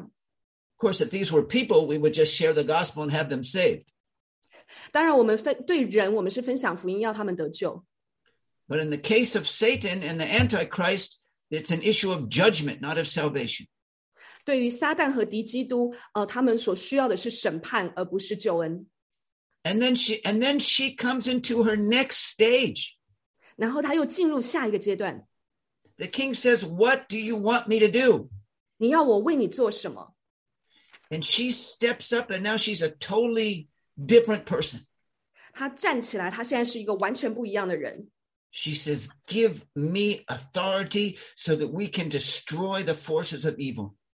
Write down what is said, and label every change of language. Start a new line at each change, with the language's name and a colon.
English: Of course, if these were people, we would just share the gospel and have them saved.
Chinese: 当然我们对人,我们是分享福音,要他们得救。
English: But in the case of Satan and the Antichrist, it's an issue of judgment, not of salvation.
Chinese: 对于撒旦和敌基督,他们所需要的是审判,而不是救恩。
English: And then she comes into her next stage.
Chinese: 然后他又进入下一个阶段。
English: The king says, what do you want me to do?
Chinese: 你要我为你做什么?
English: And she steps up and now she's a totally different person.
Chinese: 她站起来,她现在是一个完全不一样的人。
English: She says, give me authority so that we can destroy the forces of evil.